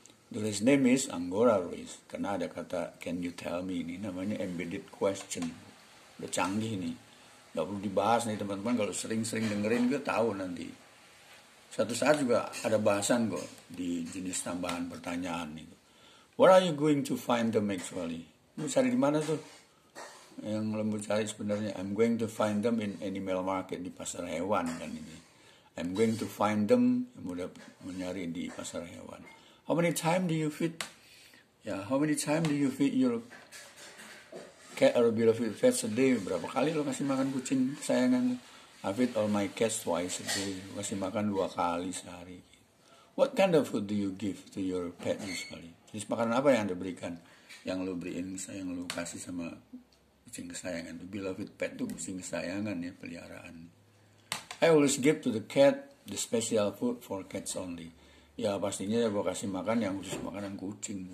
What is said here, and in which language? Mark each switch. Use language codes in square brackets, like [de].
[en] The race name is Angora race, [id] karena ada kata [en] can you tell me, [id] ini namanya [en] embedded question. [id] Udah canggih nih, gak perlu dibahas nih teman-teman, kalau sering-sering dengerin gue tahu nanti. Satu saat juga ada bahasan kok di jenis tambahan pertanyaan itu. [en] Where are you going to find them actually? [id] Mau cari di mana tuh? Yang lembu cari sebenarnya. [en] I'm going to find them in animal market, [id] di pasar hewan kan ini. [en] I'm going to find them, [id] mudah mencari di pasar hewan. [en] How many time do you feed? Ya, how many time do you feed your cat or beloved pets a day? [id] Berapa kali lo kasih makan kucing kesayangan? [en] I feed all my cats twice a day. [id] Kasih makan dua kali sehari. [en] What kind of food do you give to your pet usually? [id] Jenis makanan apa yang anda berikan? Yang lu beriin, yang lu kasih sama kucing kesayangan. [en] The beloved pet [id] itu kucing kesayangan ya, peliharaan. [en] I always give to the cat the special food for cats only. [id] Ya pastinya ya gua kasih makan yang khusus makanan kucing.